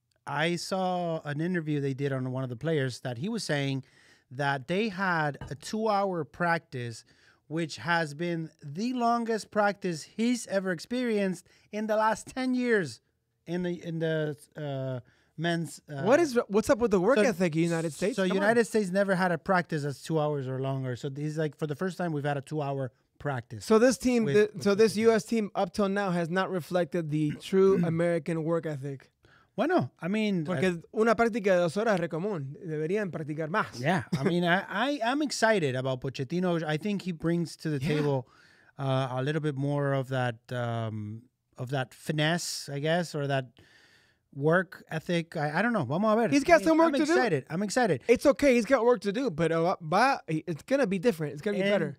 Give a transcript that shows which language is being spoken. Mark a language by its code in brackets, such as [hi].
[en] I saw an interview they did on one of the players that he was saying that they had a 2-hour practice, which has been the longest practice he's ever experienced in the last 10 years in the men's. What's up with the work ethic, United States? So United States never had a practice that's 2 hours or longer. So he's like, for the first time, we've had a 2-hour practice. So this team, this U.S. team up till now has not reflected the true American work ethic. [es] Bueno, [en] I mean... [es] Porque una práctica de dos horas es re común. Deberían practicar más. [en] Yeah, I mean, I'm excited about Pochettino. I think he brings to the table a little bit more of that finesse, I guess, or that work ethic. I don't know. [es] Vamos a ver. [en] He's got some work to do. I'm excited. It's okay. He's got work to do, but it's going to be different. It's going to be better.